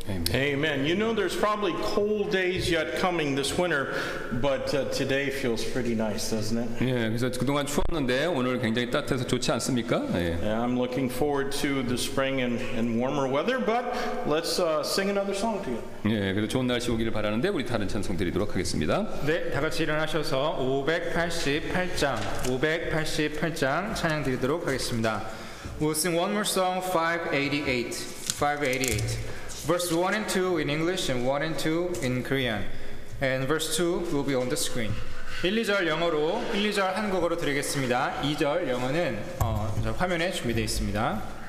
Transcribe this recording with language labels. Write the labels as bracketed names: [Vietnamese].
[English] Amen. You know, there's probably cold days yet coming this winter, but today feels pretty nice, doesn't it? [Korean] 예, 그래서 그동안 추웠는데 오늘 굉장히 따뜻해서 좋지 않습니까? 예. [English] Yeah, I'm looking forward to the spring and warmer weather, but let's sing another song to you. [Korean] 예, 그래서 좋은 날씨 오기를 바라는데 우리 다른 찬송 드리도록 하겠습니다. 네, 다 같이 일어나셔서 588장 찬양 드리도록 하겠습니다. [English] We'll sing one more song, 588. Verse 1 and 2 in English and 1 and 2 in Korean. And verse 2 will be on the screen. [Korean] 1, 2절 영어로, 1, 2절 한국어로 드리겠습니다. 2절 영어는 화면에 준비되어 있습니다.